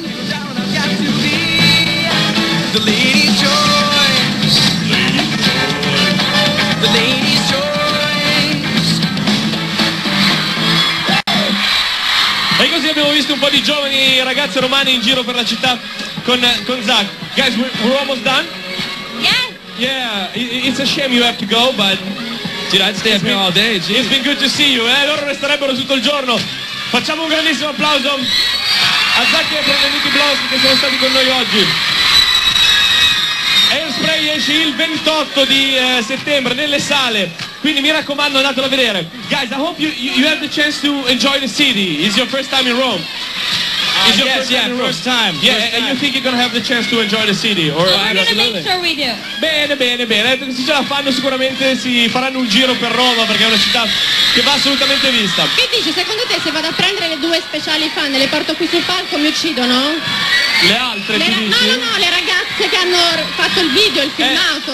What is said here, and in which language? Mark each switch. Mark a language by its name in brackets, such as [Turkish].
[Italian] E così abbiamo visto un po' di giovani ragazze romane in giro per la città con Zach. [English] Guys, we're almost done? Yeah. Yeah, it's a shame you have to go, but... Dude, I'd stay up here all day, geez. It's been good to see you, eh? [Italian] Loro resterebbero tutto il giorno. Facciamo un grandissimo applauso a Zach e a Frederico Blossi che sono stati con noi oggi. Airspray esce il 28 di settembre nelle sale, quindi mi raccomando, andatelo a vedere. [English] Guys, I hope you have the chance to enjoy the city. It's your first time in Rome. It's your first time. Yeah, first time. And you think you're gonna have the chance to enjoy the city? Or we're gonna make sure we do. [Italian] Bene, bene, bene. Se ce la fanno sicuramente si faranno un giro per Roma perché è una città che va assolutamente vista. Che dici, secondo te se vado a prendere le due speciali fan e le porto qui sul palco mi uccidono? Le altre, le dici? No, le ragazze che hanno fatto il video, il filmato.